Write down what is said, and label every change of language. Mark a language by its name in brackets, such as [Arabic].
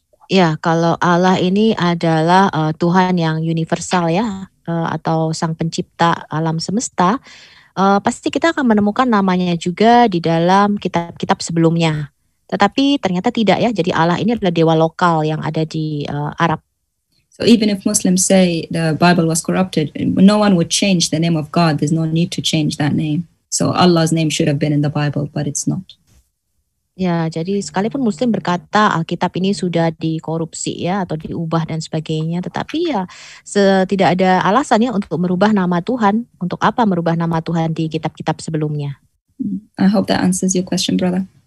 [Indonesian] Ya, kalau Allah ini adalah Tuhan yang universal ya, atau sang pencipta alam semesta, pasti kita akan menemukan namanya juga di dalam kitab-kitab sebelumnya. Tetapi ternyata tidak ya, jadi Allah ini adalah dewa lokal yang ada di Arab. [English] So even if Muslims say the Bible was corrupted, no one would change the name of God. There's no need to change that name. So Allah's name should have been in the Bible, but it's not. [Indonesian] Ya, jadi sekalipun Muslim berkata Alkitab ini sudah dikorupsi ya atau diubah dan sebagainya, tetapi ya tidak ada alasannya untuk merubah nama Tuhan. Untuk apa merubah nama Tuhan di kitab-kitab sebelumnya? [English] I hope that answers your question, brother.